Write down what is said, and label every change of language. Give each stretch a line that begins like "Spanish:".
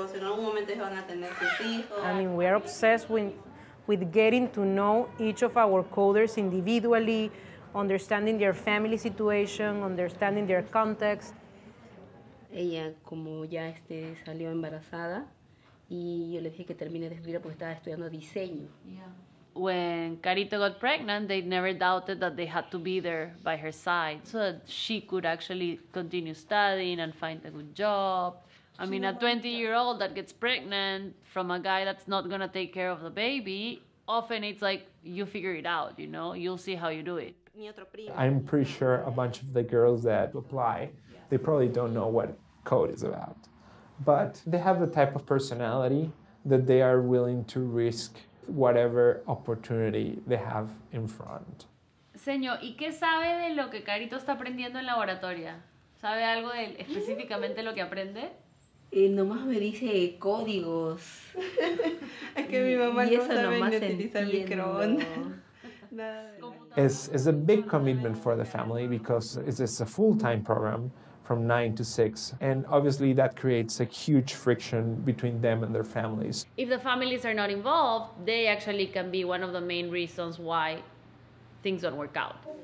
English: I mean, we are obsessed with getting to know each of our coders individually, understanding their family situation, understanding their context.
Spanish: Ella como ya salió embarazada y yo le dije que termine de escribir porque estaba estudiando diseño.
English: When Carito got pregnant, they never doubted that they had to be there by her side so that she could actually continue studying and find a good job. I mean, a 20-year-old that gets pregnant from a guy that's not going to take care of the baby, often it's like, you figure it out, you know? You'll see how you do it. I'm pretty sure a bunch of the girls that apply, they probably don't know what code is about. But they have the type of personality that they are willing to risk whatever opportunity they have in front.
Spanish: Señor, ¿y qué sabe de lo que Carito está aprendiendo en laboratoria? ¿Sabe algo de específicamente lo que aprende? Nomás me dice códigos. Es que mi mamá no sabe ni utilizar el microondas.
English: It's a big commitment for the family because it's a full-time program from 9 to 6. And obviously that creates a huge friction between them and their families. If the families are not involved, they actually can be one of the main reasons why things don't work out.